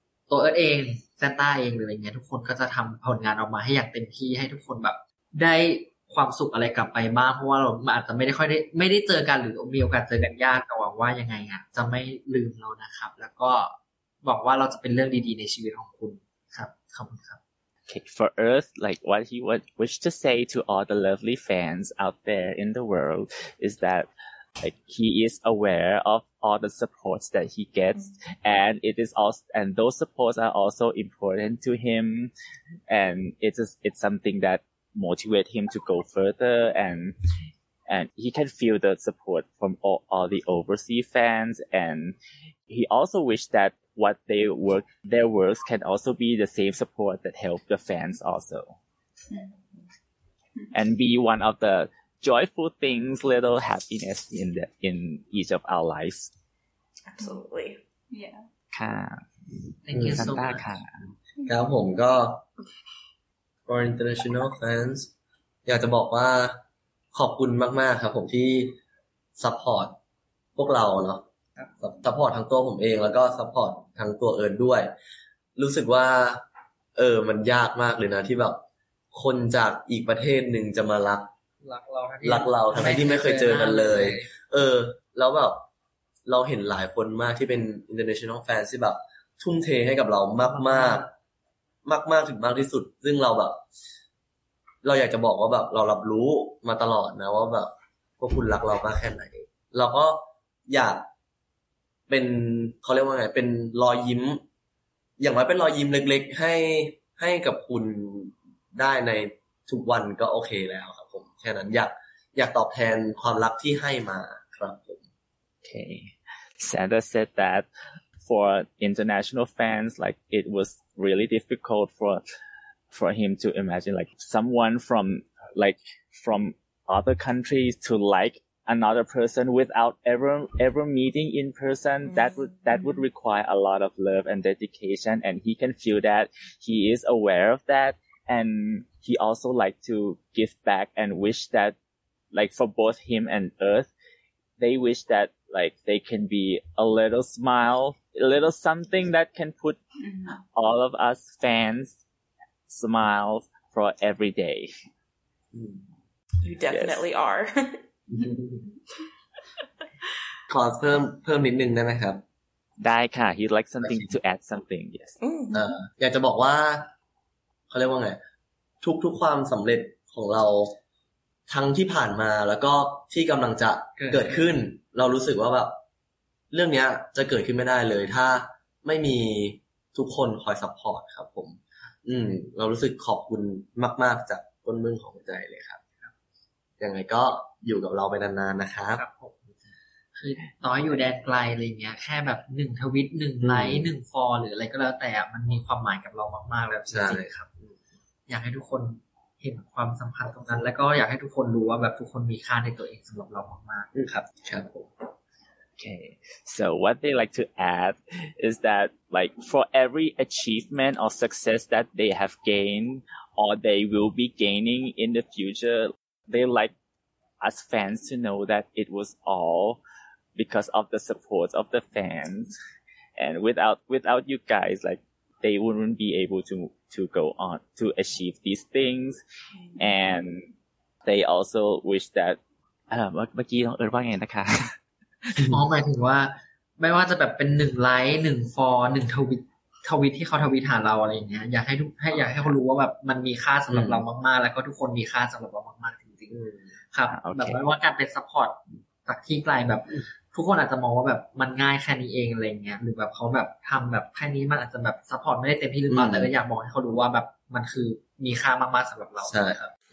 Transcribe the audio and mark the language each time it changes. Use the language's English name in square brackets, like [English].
[Thai] ตัวเอิร์นเองแซนต้าเองหรืออะไรเงี้ยทุกคนก็จะทำผลงานออกมาให้อย่างเต็มที่ให้ทุกคนแบบได้ความสุขอะไรกลับไปบ้างเพราะว่าเราอาจจะไม่ได้ค่อยไม่ได้เจอกันหรือมีโอกาสเจอกันยากแต่หวังว่ายังไงอ่ะจะไม่ลืมเรานะครับแล้วก็บอกว่าเราจะเป็นเรื่องดีๆในชีวิตของคุณครับขอบคุณครับ [English] Okay, for Earth, like what he would wish to say to all the lovely fans out there in the world is that like he is aware of all the supports that he gets, and it is also and those supports are also important to him, and it's something thatmotivate him to go further and he can feel the support from all the overseas fans, and he also wished that what they work their works can also be the same support that help the fans also and be one of the joyful things, little happiness in each of our lives. Absolutely. Yeah. [Thai] ค่ะ [English] Thank you so much. [Thai] ค่ะ ครับผมก็ [English] for international fans [Thai] อยากจะบอกว่าขอบคุณมากๆครับผมที่ซัพพอร์ตพวกเราเนาะซัพพอร์ตทั้งตัวผมเองแล้วก็ซัพพอร์ตทั้งตัวเอิร์นด้วยรู้สึกว่ามันยากมากเลยนะที่แบบคนจากอีกประเทศหนึ่งจะมารัก รักเราทั้งที่ไม่เคยเจอกันเลยแล้วแบบเราเห็นหลายคนมากที่เป็น [English] international fans [Thai] ที่แบบทุ่มเทให้กับเรามากๆมากมากถึงมากที่สุดซึ่งเราแบบ เราอยากจะบอกว่าแบบเรารับรู้มาตลอดนะว่าแบบว่าคุณรักเรามากแค่ไหนเราก็อยากเป็นเขาเรียกว่าไงเป็นรอยยิ้มอย่างน้อยเป็นรอยยิ้มเล็กๆให้กับคุณได้ในทุกวันก็โอเคแล้วครับผมแค่นั้นอยากตอบแทนความรักที่ให้มาครับผม [English] โอเค Santa said thatFor international fans, like it was really difficult for him to imagine like someone from other countries to like another person without ever meeting in person. Mm-hmm. That would require a lot of love and dedication, and he can feel that. He is aware of that, and he also like to give back and wish that, like for both him and Earth, they wish that. Like they can be a little smile, a little something that can put all of us fans smiles for every day. You definitely are. [Thai] ขอเพิ่มนิดนึงได้ไหมครับ ได้ค่ะ [English] He'd like something to add something. Yes. [Thai] อยากจะบอกว่าเขาเรียกว่าไงทุกความสำเร็จของเราทั้งที่ผ่านมาแล้วก็ที่กำลังจะเกิดขึ้นเรารู้สึกว่าแบบเรื่องนี้จะเกิดขึ้นไม่ได้เลยถ้าไม่มีทุกคนคอยซัพพอร์ตครับผมเรารู้สึกขอบคุณมากๆจากก้นมึงของใจเลยครับยังไงก็อยู่กับเราไปนานๆนะครับ คือต่ออยู่แดนไกลอะไรเงี้ยแค่แบบ1ทวิต1ไลค์1ฟอลหรืออะไรก็แล้วแต่มันมีความหมายกับเรามากๆแล้วจริงๆ ครับ อยากให้ทุกคนเห็นความสัมพันธ์ตรงนั้นแล้วก็อยากให้ทุกคนรู้ว่าแบบทุกคนมีค่าในตัวเองสำหรับเรามาก ๆครับ ครับผม [English] Okay so what they like to add is that like for every achievement or success that they have gained or they will be gaining in the future they like us fans to know that it was all because of the support of the fans. And without you guys, like, they wouldn't be able to go on to achieve these things. And they also wish that [Thai] เมื่อกี้น้องเอิร์ดว่าไงนะคะ อ๋อหมายถึงว่าไม่ว่าจะแบบเป็น 1 ไลค์ 1 ฟอลล์ 1 ทวีตที่เขาทวีตหาเราอะไรอย่างเงี้ยอยากให้ให้คนรู้ว่าแบบมันมีค่าสําหรับเรามากๆแล้วก็ทุกคนมีค่าสําหรับเรามากๆจริงๆครับแบบไม่ว่าการเป็นซัพพอร์ตจากที่ไกลแบบทุกคนอาจจะมองว่าแบบมันง่ายแค่นี้เองอะไรเงี้ยหรือแบบเขาแบบทําแบบแค่นี้มันอาจจะแบบซัพพอร์ตไม่ได้เต็มที่หรือเปล่าแต่ก็อยากบอกให้เขารู้ว่าแบบมันคือมีค่ามากๆสําหรับเราใช่ครับ